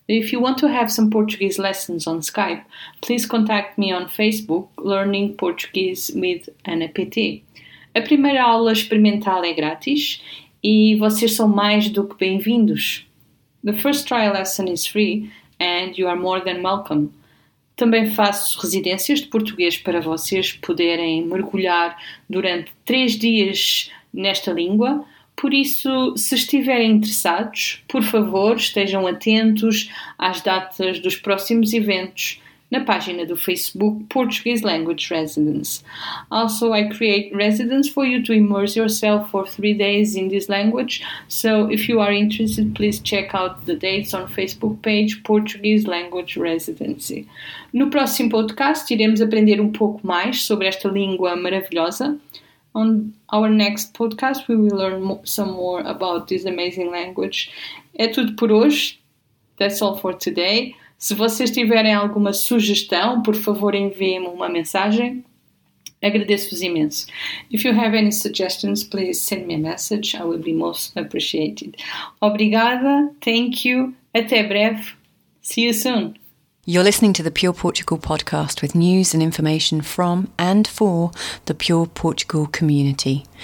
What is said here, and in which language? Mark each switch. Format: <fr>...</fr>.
<en>If you want to have some Portuguese lessons on Skype, please contact me on Facebook, Learning Portuguese with Ana Petit.</en> <pt>A primeira aula experimental é grátis e vocês são mais do que bem-vindos.</pt> <en>The first trial lesson is free and you are more than welcome.</en> <pt>Também faço residências de português para vocês poderem mergulhar durante 3 dias nesta língua. Por isso, se estiverem interessados, por favor, estejam atentos às datas dos próximos eventos na página do Facebook Portuguese Language Residence.</pt> <en>Also, I create residence for you to immerse yourself for 3 days in this language. So, if you are interested, please check out the dates on Facebook page Portuguese Language Residency.</en> <pt>No próximo podcast, iremos aprender um pouco mais sobre esta língua maravilhosa.</pt> <en>On our next podcast, we will learn some more about this amazing language.</en> <pt>É tudo por hoje.</pt> <en>That's all for today.</en> <pt>Se vocês tiverem alguma sugestão, por favor, enviem-me uma mensagem. Agradeço-vos imenso.</pt> <en>If you have any suggestions, please send me a message. I will be most appreciated.</en> <pt>Obrigada.</pt> <en>Thank you.</en> <pt>Até breve.</pt> <en>See you soon. You're listening to the Pure Portugal podcast with news and information from and for the Pure Portugal community.</en>